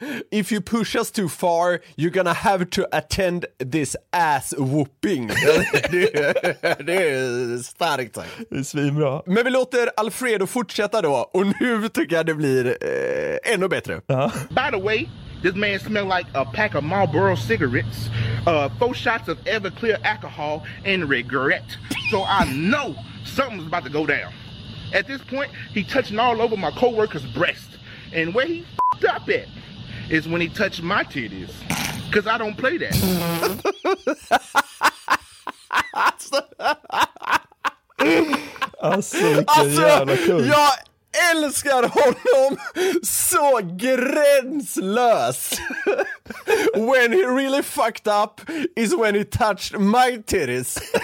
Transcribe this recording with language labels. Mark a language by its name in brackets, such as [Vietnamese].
[English] If you push us too far, you're gonna have to attend this ass whooping. [Swedish] Det är starkt sagt. Det är svinbra. Men vi låter Alfredo fortsätta då. Och nu tycker jag det blir ännu bättre. Uh-huh. [English] By the way, this man smelled like a pack of Marlboro cigarettes, 4 shots of Everclear alcohol, and regret. So I know something's about to go down. At this point, he touching all over my co-worker's breast. And where he f***ed up at is when he touched my titties. Because I don't play that. [Swedish] Alltså, vilken jävla kul. Jag älskar honom så gränslös. [English] When he really fucked up is when he touched my titties.